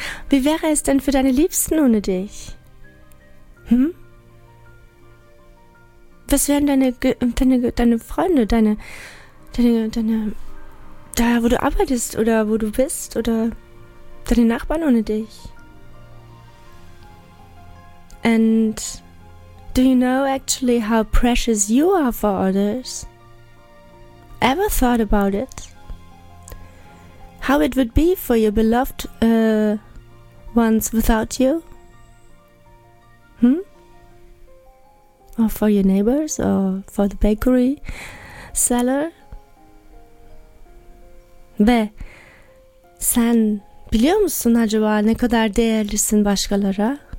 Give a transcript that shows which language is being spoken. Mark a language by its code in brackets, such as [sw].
[de] Wie wäre es denn für deine Liebsten ohne dich? Hm? Was wären deine Freunde, da wo du arbeitest oder wo du bist oder deine Nachbarn ohne dich? [en] And do you know actually how precious you are for others? Ever thought about it? How it would be for your beloved ones without you? Hmm? Or for your neighbors, or for the bakery seller? [tr] Ve sen biliyor musun acaba ne kadar değerlisin başkalara?